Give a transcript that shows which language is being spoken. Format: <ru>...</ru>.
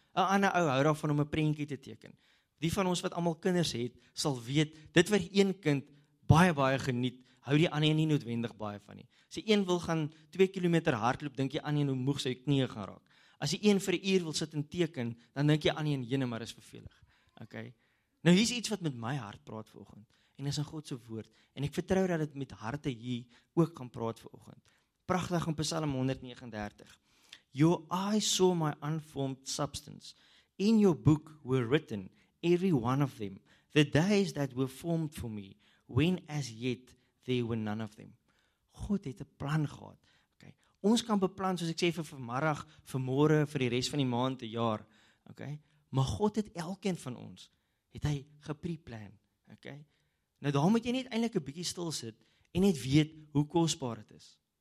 <af>'N Ander ou hou daarvan om 'n prentjie te teken. Die van ons wat almal kinders het, sal weet, dit wat een kind baie geniet, hou die ander nie noodwendig baie van nie. As die een wil gaan 2 km hardloop, dink die ander hoe moeg sy knieë gaan raak. As die een vir 'n uur wil sit en teken, dan dink die ander jene maar is vervelig. Okay. Nou hier's iets wat met my hart praat vanoggend. En dis in God se woord en ek vertrou dat dit met harte hier ook kan praat vanoggend. Pragtig in Psalm 139.</af> <en>Your eyes saw my unformed substance. In your book were written every one of them, the days that were formed for me, when as yet there were none of them.</en> <af>God het 'n plan gehad. Okay. Ons kan beplan soos ek sê vir vanmiddag, vir môre, vir die res van die maand, die jaar. Okay. Maar God het elkeen van ons het hy gepreplan. Okay. Nou daar moet jy net eintlik 'n bietjie stil sit en net weet hoe kosbaar dit is.</af>